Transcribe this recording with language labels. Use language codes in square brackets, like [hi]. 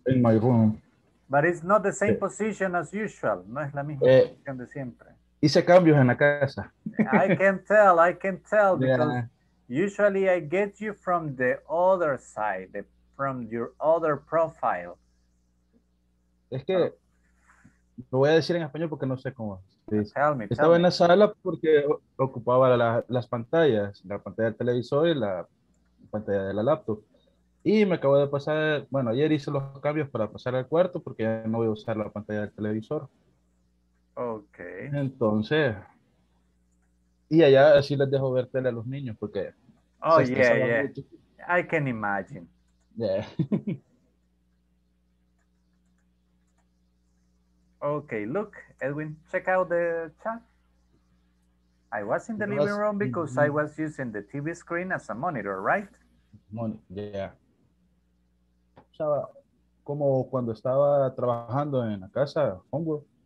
[en] In my room. But it's not the same position as usual. [es] No es la misma posición de siempre. Hice cambios en la casa. [en] I can tell. I can tell because usually I get you from the other side, from your other profile. [es] Es que lo voy a decir en español porque no sé cómo. [en] Sí. Tell me, [es] estaba [en] tell [es] en la sala porque ocupaba las pantallas, la pantalla del televisor y la pantalla de la laptop. Y me acabo de pasar, bueno, ayer hice los cambios para pasar al cuarto porque ya no voy a usar la pantalla del televisor. Ok. Entonces, y allá así les dejo ver tele a los niños porque... [en] Oh, yeah, yeah. Mucho. I can imagine. Yeah. Okay, look, Edwin, check out the chat. I was in the living room because I was using the TV screen as a monitor, right? Yeah. [es] O sea, como cuando estaba trabajando en la casa, homework.